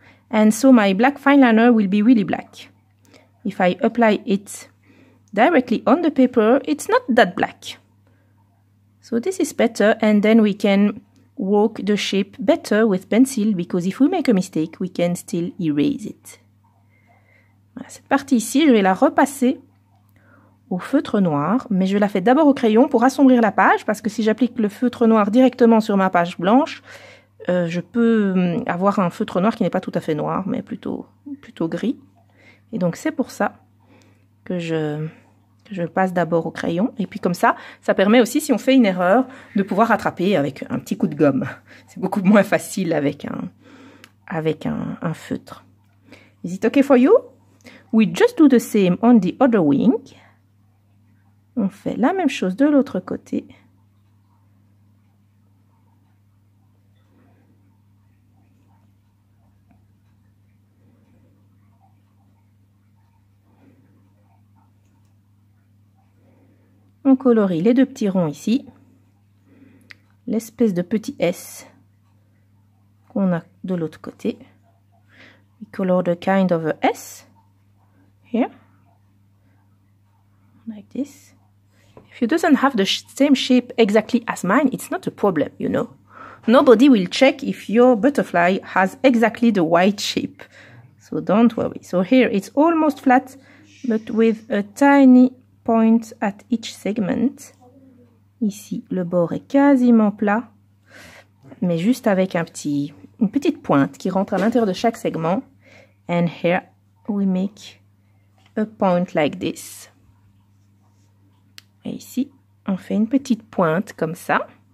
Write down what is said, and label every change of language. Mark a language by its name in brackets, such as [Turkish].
[English] And so my black fineliner will be really black. If I apply it directly on the paper, it's not that black. So this is better, and then we can work the shape better with pencil, because if we make a mistake, we can still erase it. [French] Voilà, cette partie ici, je vais la repasser au feutre noir, mais je la fais d'abord au crayon pour assombrir la page, parce que si j'applique le feutre noir directement sur ma page blanche, je peux avoir un feutre noir qui n'est pas tout à fait noir, mais plutôt gris. Et donc c'est pour ça que je passe d'abord au crayon, et puis comme ça, ça permet aussi, si on fait une erreur, de pouvoir rattraper avec un petit coup de gomme. C'est beaucoup moins facile avec un feutre. [English] Is it okay for you? We just do the same on the other wing. [French] On fait la même chose de l'autre côté. On colorie les deux petits ronds ici, l'espèce de petit S qu'on a de l'autre côté. [English] We color the kind of a S here, like this. If you doesn't have the same shape exactly as mine, it's not a problem, you know. Nobody will check if your butterfly has exactly the white shape, so don't worry. So here it's almost flat, but with a tiny point at each segment. [French] Ici, le bord est quasiment plat, mais juste avec une petite pointe qui rentre à l'intérieur de chaque segment. [English] And here we make a point like this. [French] Et ici, on fait une petite pointe comme ça.